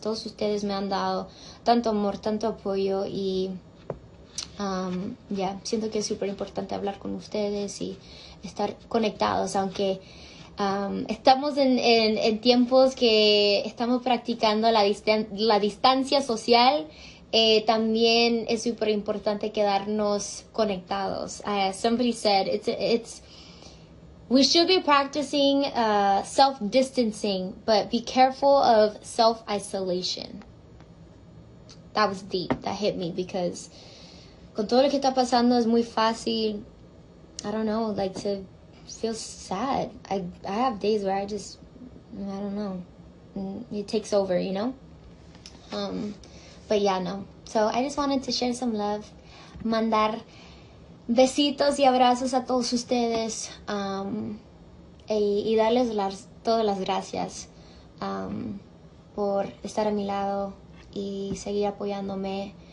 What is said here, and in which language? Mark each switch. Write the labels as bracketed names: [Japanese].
[Spanish] Todos ustedes me han dado tanto amor, tanto apoyo, y ya, yeah, siento que es súper importante hablar con ustedes y estar conectados, aunque estamos en tiempos que estamos practicando la distancia social. También es súper importante quedarnos conectados. [English] Somebody said it's we should be practicing self-distancing, but be careful of self-isolation. That was deep. That hit me, because con todo lo que está pasando es muy fácil, I don't know, like to feel sad. I have days where I just, I don't know, it takes over, you know. But yeah, no. [Spanish] So I just wanted to share some love, mandar besitos y abrazos a todos ustedes, y darles todas las gracias por estar a mi lado y seguir apoyándome.